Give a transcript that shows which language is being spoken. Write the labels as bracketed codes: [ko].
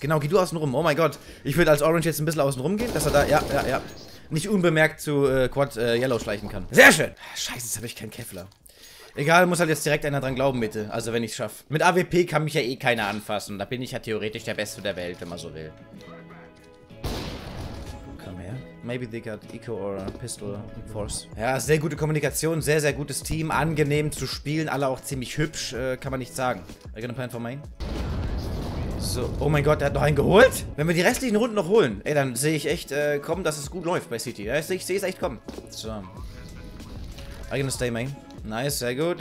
[de] Genau, geh du außen rum. Oh mein Gott. Ich würde als Orange jetzt ein bisschen außen rum gehen, dass er da, ja. Nicht unbemerkt zu Quad Yellow schleichen kann. Sehr schön. Scheiße, jetzt habe ich keinen Kevlar. Egal, muss halt jetzt direkt einer dran glauben, bitte. Also, wenn ich es schaffe. Mit AWP kann mich ja eh keiner anfassen. Da bin ich ja theoretisch der Beste der Welt, wenn man so will. Komm her. [en] Maybe they got Eco or Pistol Force. [de] Ja, sehr gute Kommunikation, sehr, sehr gutes Team. Angenehm zu spielen, alle auch ziemlich hübsch. Kann man nicht sagen. [en] Are you gonna plan for main? [de] So, oh mein Gott, der hat noch einen geholt? Wenn wir die restlichen Runden noch holen, ey, dann sehe ich echt kommen, dass es gut läuft bei City. Ich sehe es echt kommen. So. [en] Are you gonna stay main? [de] Nice, sehr gut.